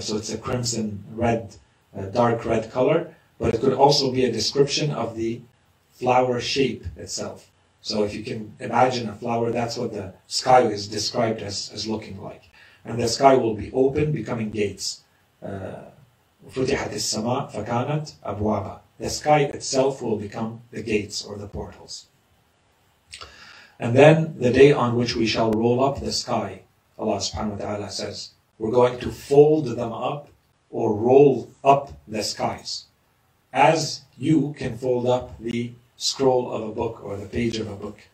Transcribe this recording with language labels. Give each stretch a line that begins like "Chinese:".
English: So it's a crimson red, dark red color. But it could also be a description of the flower shape itself. So if you can imagine a flower, that's what the sky is described as looking like. And the sky will be open, becoming gates.
Arabic: فتحت السماء فكانت أبوابا.
English: The sky itself will become the gates or the portals. And then the day on which we shall roll up the sky, Allah subhanahu wa ta'ala says, we're going to fold them up or roll up the skies. As you can fold up the scroll of a book or the page of a book.